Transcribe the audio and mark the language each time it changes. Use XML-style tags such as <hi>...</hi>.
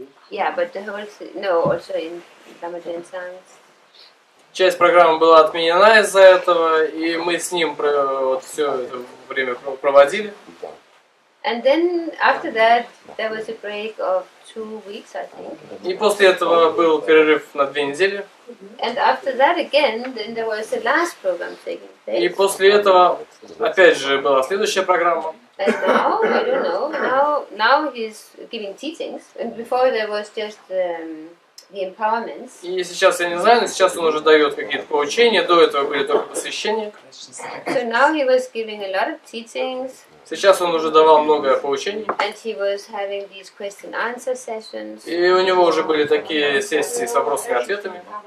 <en>Yeah, but the whole thing, no, also in Ramadan songs.</en> <ru>Часть программы была отменена из-за этого, и мы с ним вот все это время проводили.</ru> <en>And then after that, there was a break of 2 weeks, I think.</en> <ru>И после этого был перерыв на 2 недели.</ru> <en>And after that again, then there was the last program taking place.</en> <ru>И после этого опять же была следующая программа.</ru> <en>And now I don't know. Now he's giving teachings. And before there was just the empowerments.</en> <ru>И сейчас я не знаю, но сейчас он уже дает какие-то поучения. До этого были только посвящения.</ru> <en>So now he was giving a lot of teachings.</en> <ru>Сейчас он уже давал много поучений.</ru> <en>And he was having these question answer sessions.</en> <ru>И у него уже были такие сессии с вопросами и ответами.</ru>